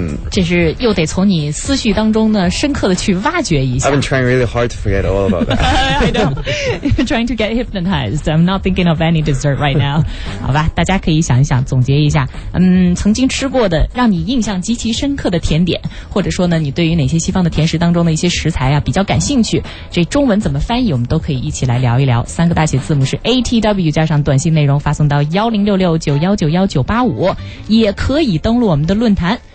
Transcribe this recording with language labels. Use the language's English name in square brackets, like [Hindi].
[Chinese] 这是又得从你思绪当中呢深刻的去挖掘一下。 [English] I've been trying really hard to forget all about that. I know. Trying to get hypnotized. I'm not thinking of any dessert right now. [Chinese] 好吧，大家可以想一想，总结一下，曾经吃过的让你印象极其深刻的甜点，或者说呢，你对于哪些西方的甜食当中的一些食材啊比较感兴趣，这中文怎么翻译，我们都可以一起来聊一聊。三个大写字母是 ATW 加上短信内容发送到10669191985，也可以登录我们的论坛。